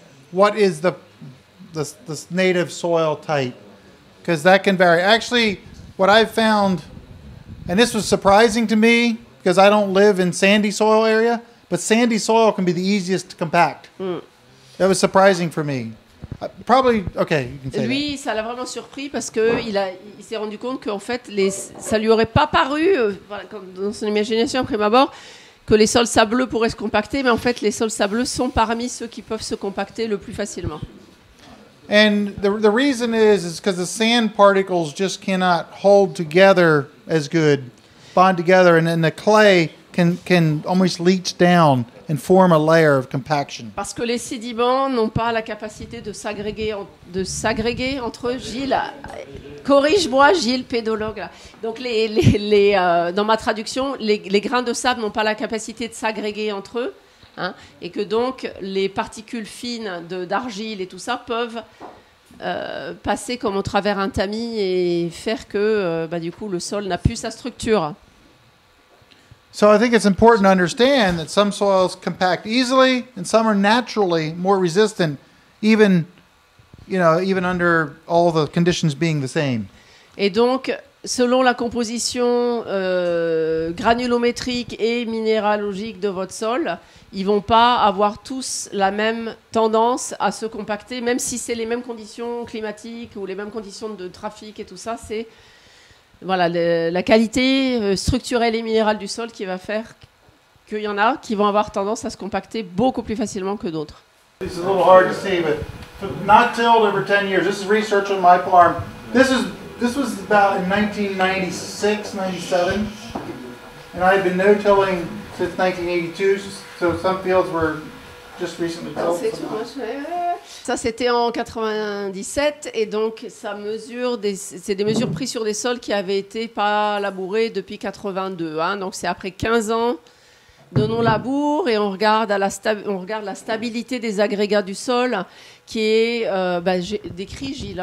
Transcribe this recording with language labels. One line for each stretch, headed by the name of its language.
English: What is the native soil type? Because that can vary. Actually, what I've found, and this was surprising to me, because I don't live in sandy soil area, but sandy soil can be the easiest to compact. That was surprising for me. Probably, okay, you can say
French: lui,
English: that.
French: Ça l'a vraiment surpris parce qu'il il s'est rendu compte qu'en fait, ça lui aurait pas paru, dans son imagination, après ma mort, que les sols sableux pourraient se compacter, mais en fait, les sols sableux sont parmi ceux qui peuvent se compacter le plus facilement.
English: And the reason is because the sand particles just cannot hold together as good, bond together, and then the clay... Can almost leach down and form a layer of compaction.
French: Parce que les sédiments n'ont pas la capacité de s'agréger entre eux. Gilles, corrige-moi, Gilles, pédologue. Donc dans ma traduction, les grains de sable n'ont pas la capacité de s'agréger entre eux, hein, et que donc les particules fines d'argile et tout ça peuvent passer comme au travers un tamis et faire que du coup le sol n'a plus sa structure.
English: So I think it's important to understand that some soils compact easily and some are naturally more resistant, even under all the conditions being the same.
French: Et donc, selon la composition granulométrique et minéralogique de votre sol, ils ne vont pas avoir tous la même tendance à se compacter, même si c'est les mêmes conditions climatiques ou les mêmes conditions de trafic et tout ça, c'est... voilà, la qualité structurelle et minérale du sol qui va faire qu'il y en a qui vont avoir tendance à se compacter beaucoup plus facilement que d'autres.
English: It's a little hard to see, but not tilled over 10 years. This is research on my farm. This was about in 1996, 97, and I had been no-tilling since 1982, so some fields were just recently tilled.
French: C'est tout moche, ouais. Ça, c'était en 97, et donc ça mesure c'est des mesures prises sur des sols qui avaient été pas labourés depuis 82. Hein, donc c'est après 15 ans. Donnons la bourre et on regarde la stabilité des agrégats du sol qui est décrit Gilles.